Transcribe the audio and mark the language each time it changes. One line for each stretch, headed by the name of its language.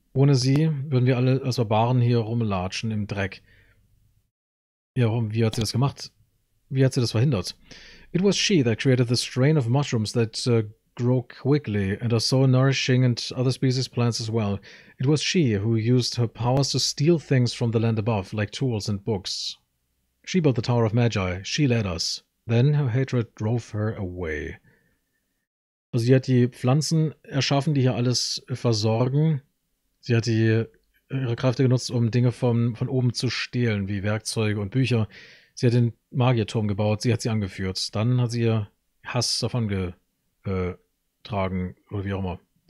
German: Ohne sie würden wir alle als Barbaren hier rumlatschen im Dreck. Ja, warum? Wie hat sie das gemacht? Wie hat sie das verhindert?
English: It was she that created the strain of mushrooms that grow quickly and are so nourishing and other species plants as well. It was she who used her powers to steal things from the land above, like tools and books. She built the Tower of Magi. She led us. Then her hatred drove her away.
German: Also sie hat die Pflanzen erschaffen, die hier alles versorgen. Sie hat ihre Kräfte genutzt, um Dinge von oben zu stehlen, wie Werkzeuge und Bücher. Sie hat den Magierturm gebaut, sie hat sie angeführt. Dann hat sie ihr Hass davon getragen, oder wie auch immer.